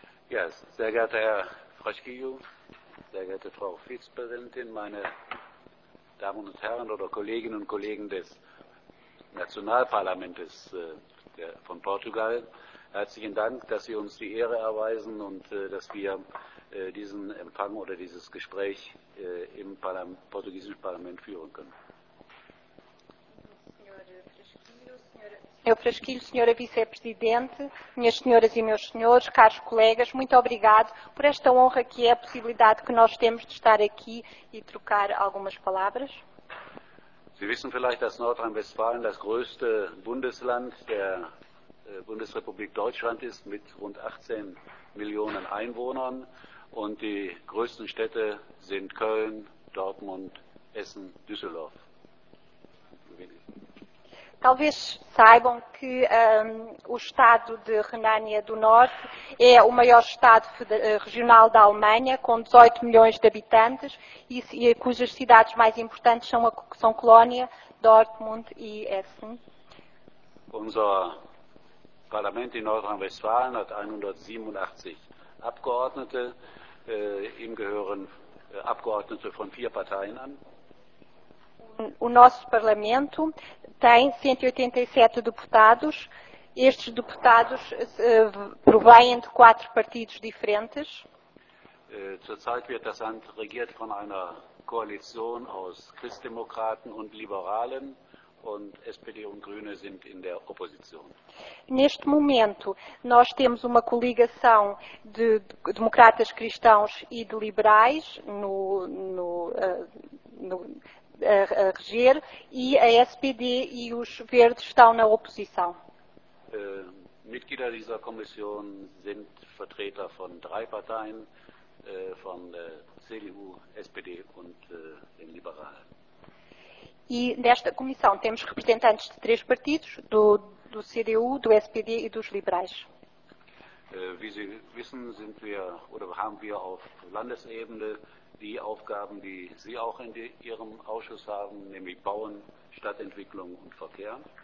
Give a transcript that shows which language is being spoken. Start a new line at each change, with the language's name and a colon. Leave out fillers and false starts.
German: Yes, sehr geehrter Herr Frasquillo, sehr geehrte Frau Vizepräsidentin, meine Damen und Herren oder Kolleginnen und Kollegen des Nationalparlaments von Portugal, herzlichen Dank, dass Sie uns die Ehre erweisen und dass wir diesen Empfang oder dieses Gespräch im portugiesischen Parlament führen können.
Portuguese: Senhor Frasquilho, senhora vice-presidente, minhas senhoras e meus senhores, caros colegas, muito obrigado por esta honra que é a possibilidade que nós temos de estar aqui e trocar algumas palavras.
German: Sie wissen vielleicht, dass Nordrhein-Westfalen das größte Bundesland der Bundesrepublik Deutschland ist, mit rund 18 Millionen Einwohnern. Und die größten Städte sind Köln, Dortmund, Essen, Düsseldorf.
Portuguese: Talvez saibam que o estado de Renânia do Norte é o maior estado regional da Alemanha, com 18 milhões de habitantes e cujas cidades mais importantes são Colónia, Dortmund e Essen.
German: Unser Parlament in Nordrhein-Westfalen hat 187 Abgeordnete. Ihm gehören Abgeordnete von vier Parteien an.
Portuguese: O nosso Parlamento tem 187 deputados. Estes deputados provêm de quatro partidos diferentes.
German: Zurzeit wird das Land regiert von einer Koalition aus Christdemokraten und Liberalen, und SPD und Grüne sind in der Opposition.
Portuguese: Neste momento, nós temos uma coligação de democratas cristãos e de liberais a reger e a SPD e os Verdes estão na oposição.
German: Mitglieder dieser Kommission sind Vertreter von drei Parteien, von der CDU, SPD und den Liberalen.
Portuguese: E nesta comissão temos representantes de três partidos, do CDU, do SPD e dos liberais.
German: Wie Sie wissen, sind wir oder haben wir auf Landesebene die Aufgaben, die Sie auch in Ihrem Ausschuss haben, nämlich Bauen, Stadtentwicklung und Verkehr.